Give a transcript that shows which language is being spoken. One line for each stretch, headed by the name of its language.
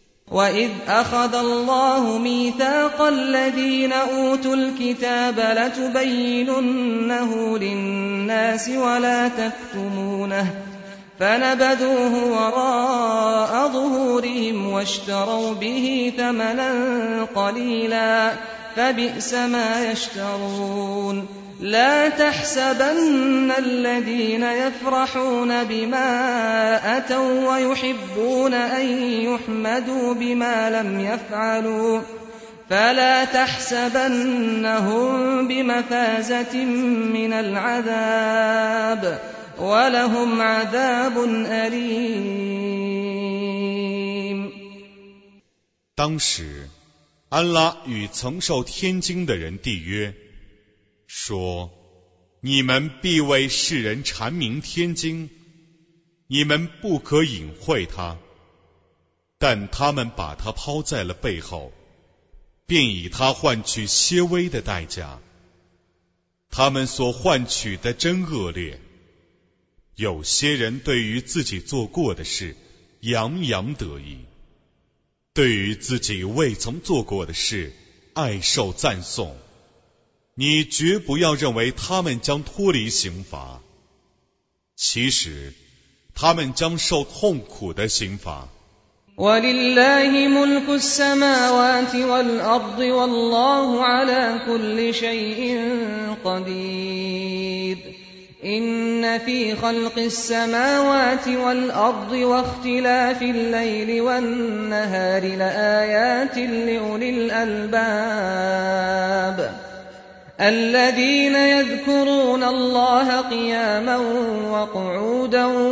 Arabic: وَإِذْ أَخَذَ اللَّهُ مِيثَاقَ الَّذِينَ أُوتُوا الْكِتَابَ لَتُبَيِّنُنَّهُ لِلنَّاسِ وَلَا تَكْتُمُونَهُ فنبذوه وراء ظهورهم واشتروا به ثمنا قليلا فبئس ما يشترون لا تحسبن الذين يفرحون بما أتوا ويحبون أن يحمدوا بما لم يفعلوا فلا تحسبنهم بمفازة من العذاب ولهم عذاب أليم
Chinese: 当时安拉与曾受天经的人缔约说，你们必为世人阐明天经，你们不可隐晦它，但他们把它抛在了背后，便以它换取些微的代价，他们所换取的真恶劣。有些人对于自己做过的事洋洋得意，对于自己未曾做过的事爱受赞颂。你绝不要认为他们将脱离刑罚，其实他们将受痛苦的刑罚。
Arabic: ولله ملك السماوات والأرض والله على كل شيء قدير إن في خلق السماوات والأرض واختلاف الليل والنهار لآيات لأولي الألباب الذين يذكرون الله قياما وقعودا